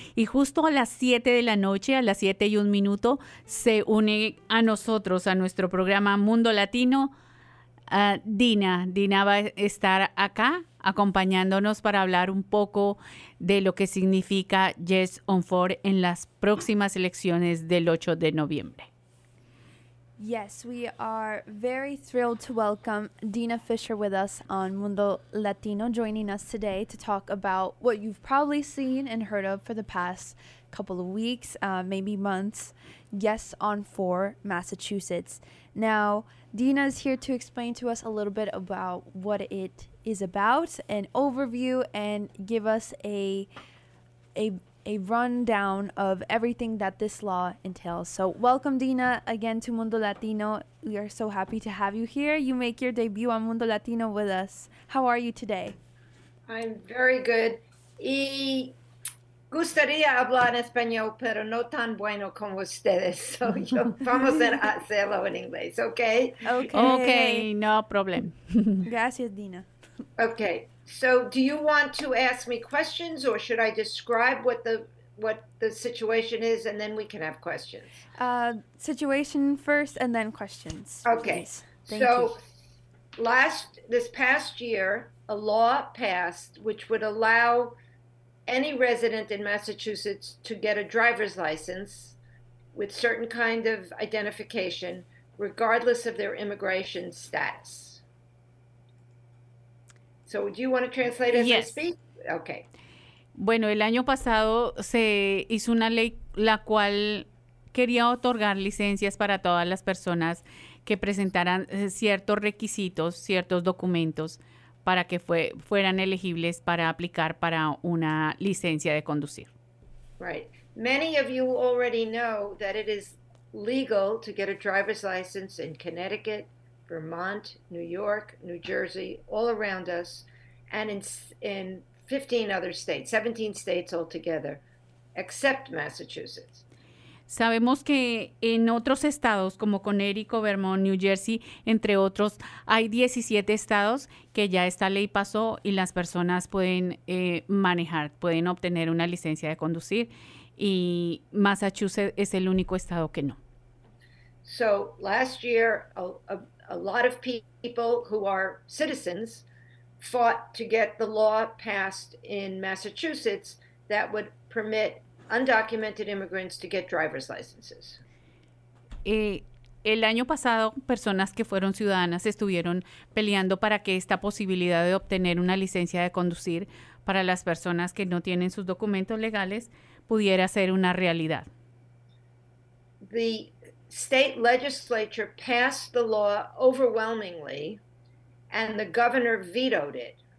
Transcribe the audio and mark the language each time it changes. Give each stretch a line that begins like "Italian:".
Spanish: Y justo a las 7 de la noche, a las 7 y un minuto, se une a nosotros, a nuestro programa Mundo Latino, Dina. Dina va a estar acá acompañándonos para hablar un poco de lo que significa Yes on Four en las próximas elecciones del 8 de noviembre.
English: Yes, we are very thrilled to welcome Dina Fisher with us on Mundo Latino, joining us today to talk about what you've probably seen and heard of for the past couple of weeks, maybe months, Yes on Four Massachusetts. Now, Dina is here to explain to us a little bit about what it is about, an overview, and give us a rundown of everything that this law entails. So welcome, Dina, again to Mundo Latino. We are so happy to have you here. You make your debut on Mundo Latino with us. How are you today? I'm very good.
Spanish: Y gustaría hablar español, pero no tan bueno como ustedes. So yo vamos a hacerlo en inglés, okay?
English: Okay. Okay, no problem.
Spanish: Gracias, Dina.
English: Okay. So do you want to ask me questions or should I describe what the situation is and then we can have questions? Situation first and then questions. Okay. So this past year, a law passed which would allow any resident in Massachusetts to get a driver's license with certain kind of identification, regardless of their immigration status. So, do you want to translate as yes. I speak? Okay.
Spanish: Bueno, el año pasado se hizo una ley la cual quería otorgar licencias para todas las personas que presentaran ciertos requisitos, ciertos documentos para que fueran elegibles para aplicar para una licencia de conducir.
English: Right. Many of you already know that it is legal to get a driver's license in Connecticut, Vermont, New York, New Jersey, all around us, and in 15 other states, 17 states altogether, except Massachusetts.
Spanish: Sabemos que en otros estados, como Connecticut, Vermont, New Jersey, entre otros, hay 17 estados que ya esta ley pasó y las personas pueden manejar, pueden obtener una licencia de conducir, y Massachusetts es el único estado que no.
English: So, last year, a lot of people who are citizens fought to get the law passed in Massachusetts that would permit undocumented immigrants to get driver's licenses.
Spanish: El año pasado, personas que fueron ciudadanas estuvieron peleando para que esta posibilidad de obtener una licencia de conducir para las personas que no tienen sus documentos legales pudiera ser una realidad.
English: The state legislature passed the law overwhelmingly, and the governor vetoed it.